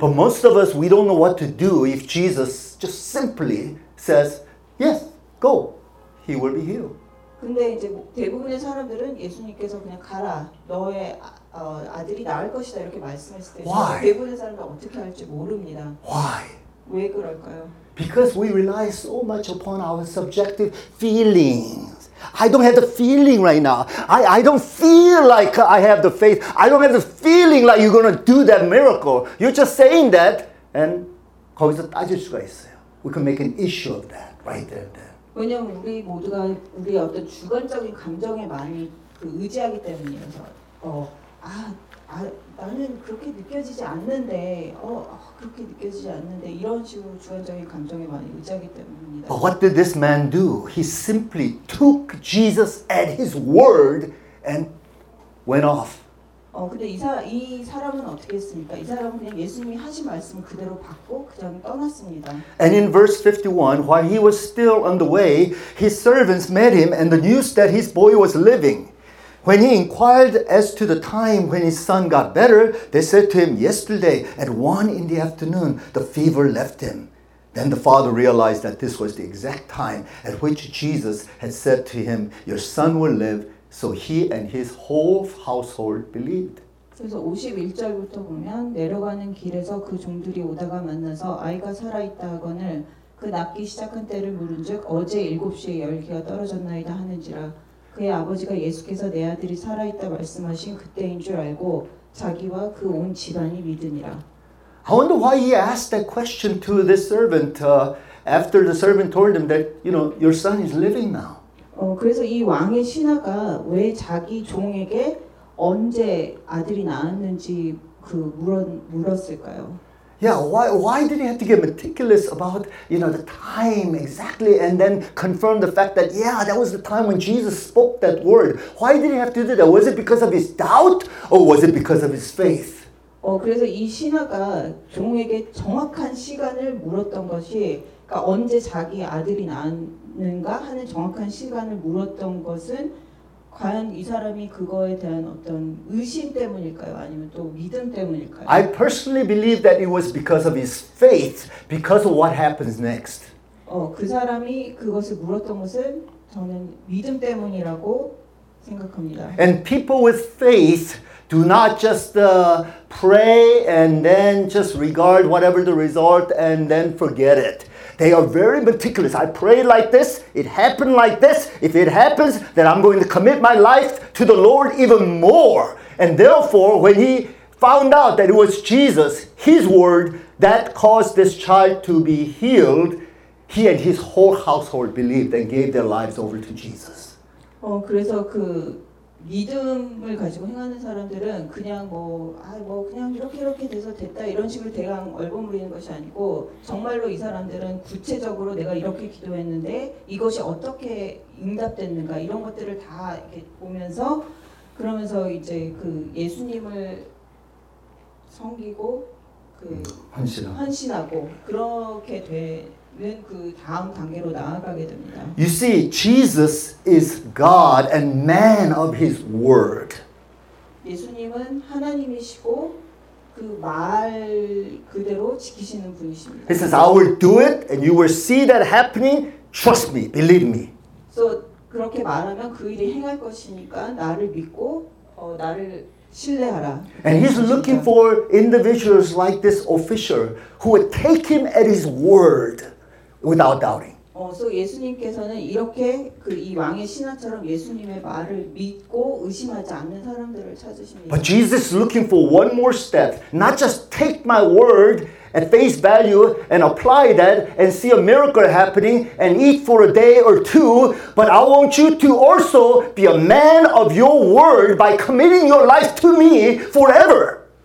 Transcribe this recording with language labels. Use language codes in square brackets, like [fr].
[en] But most of us, we don't know what to do if Jesus just simply says, "Yes, go. He will be healed." [ko] 근데 이제 대부분의 사람들은 예수님께서 그냥 가라 너의 아들이 나을 것이다 이렇게 말씀했을 때 [en] Why? [ko] 대부분의 사람들은 어떻게 할지 모릅니다. [en] Why? [ko] 왜 그럴까요? [en] Because we rely so much upon our subjective feelings. I don't have the feeling right now. I don't feel like I have the faith. I don't have the feeling like you're gonna do that miracle. You're just saying that, and [ko] 거기서 따질 수가 있어요. [en] We can make an issue of that right there and then. [ko] 왜냐면 우리 모두가 우리 어떤 주관적인 감정에 많이 의지하기 때문이어서 나는 그렇게 느껴지지 않는데 그렇게 느껴지지 않는데 이런 식으로 주관적인 감정에 많이 의지하기 때문입니다. [en] But what did this man do? He simply took Jesus at his word and went off. [ko] 근데 이 사람은 어떻게 했습니까? 이 사람은 그냥 예수님이 하신 말씀을 그대로 받고 그냥 떠났습니다. [en] And in verse 51, while he was still on the way, his servants met him and the news that his boy was living. When he inquired as to the time when his son got better, they said to him, "Yesterday at 1 in the afternoon, the fever left him." Then the father realized that this was the exact time at which Jesus had said to him, "Your son will live." So he and his whole household believed. [ko] 그래서 51절부터 보면 내려가는 길에서 그 종들이 오다가 만나서 아이가 살아있다 하거늘 그 낫기 시작한 때를 물은즉 어제 7시에 열기가 떨어졌나이다 하는지라 그의 아버지가 예수께서 내 아들이 살아있다 말씀하신 그때인 줄 알고 자기와 그 온 집안이 믿으니라. [en] I wonder why he asked that question to this servant after the servant told him that, you know, your son is living now. [ko] 그래서 이 왕의 신하가 왜 자기 종에게 언제 아들이 낳았는지 물었을까요? [en] Yeah, why did he have to get meticulous about, you know, the time exactly and then confirm the fact that yeah, that was the time when Jesus spoke that word. Why did he have to do that? Was it because of his doubt or was it because of his faith? [ko] 그래서 이 신하가 종에게 정확한 시간을 물었던 것이 그러니까 언제 자기 아들이 낳는가 하는 정확한 시간을 물었던 것은 과연 이 사람이 그거에 대한 어떤 의심 때문일까요? 아니면 또 믿음 때문일까요? [en] I personally believe that it was because of his faith, because of what happens next. [ko] 그 사람이 그것을 물었던 것은 저는 믿음 때문이라고 생각합니다. [en] And people with faith do not just pray and then just regard whatever the result and then forget it. They are very meticulous. I pray like this. It happened like this. If it happens, then I'm going to commit my life to the Lord even more. And therefore, when he found out that it was Jesus, his word, that caused this child to be healed, he and his whole household believed and gave their lives over to Jesus. [ko] 그래서 그 믿음을 가지고 행하는 사람들은 그냥 그냥 이렇게 돼서 됐다 이런 식으로 대강 얼버무리는 것이 아니고 정말로 이 사람들은 구체적으로 내가 이렇게 기도했는데 이것이 어떻게 응답됐는가 이런 것들을 다 이렇게 보면서 그러면서 이제 그 예수님을 섬기고 그 헌신하고 그렇게 되는 그 다음 단계로 나아가게 됩니다. [en] You see, Jesus is God and man of His word. [ko] 예수님은 하나님이시고 그 말 그대로 지키시는 분이십니다. [en] He says, "I will do it, and you will see that happening. Trust me, believe me." [ko] So 그렇게 말하면 그 일이 행할 것이니까 나를 믿고 나를 신뢰하라. [en] And he's looking for individuals like this official who would take him at his word without doubting. [ko] So 예수님께서는 이렇게 그 이 왕의 신하처럼 예수님의 말을 믿고 의심하지 않는 사람들을 찾으십니다. [en] But Jesus is looking for one more step, not just take my word at face value and apply that and see a miracle happening and eat for a day or two, but I want you to also be a man of your word by committing your life to me forever.